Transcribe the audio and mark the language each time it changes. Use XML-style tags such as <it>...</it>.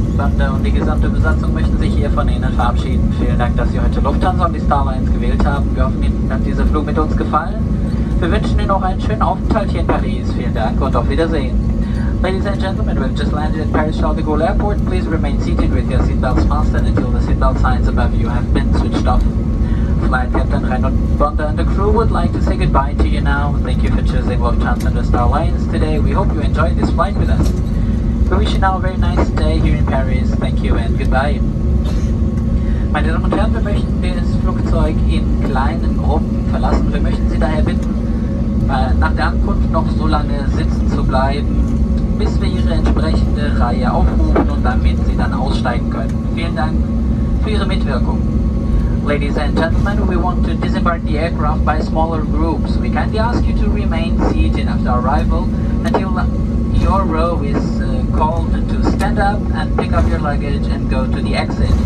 <de>Bande und die gesamte Besatzung möchten sich hier von Ihnen verabschieden. Vielen Dank, dass Sie heute Lufthansa und die Starlines gewählt haben. Wir hoffen, Ihnen hat dieser Flug mit uns gefallen. Wir wünschen Ihnen noch einen schönen Aufenthalt hier in Paris. Vielen Dank und auf Wiedersehen.</de> <en>Ladies and gentlemen, we've just landed at Paris Charles de Gaulle Airport. Please remain seated with your seatbelts fastened until the seatbelt signs above you have been switched off. Flight Captain Reinhold Bonder and the crew would like to say goodbye to you now. Thank you for choosing Lufthansa and the Star Alliance today. We hope you enjoyed this flight with us. We wish you now a very nice day here in Paris. Thank you and goodbye.</en> <de>Meine Damen und Herren, wir möchten das Flugzeug in kleinen Gruppen verlassen. Wir möchten Sie daher bitten, nach der Ankunft noch so lange sitzen zu bleiben, bis wir Ihre entsprechende Reihe aufrufen und damit Sie dann aussteigen können. Vielen Dank für Ihre Mitwirkung.</de> <en>Ladies and gentlemen, we want to disembark the aircraft by smaller groups. We kindly ask you to remain seated after arrival until your row is called to stand up and pick up your luggage and go to the exit.</en>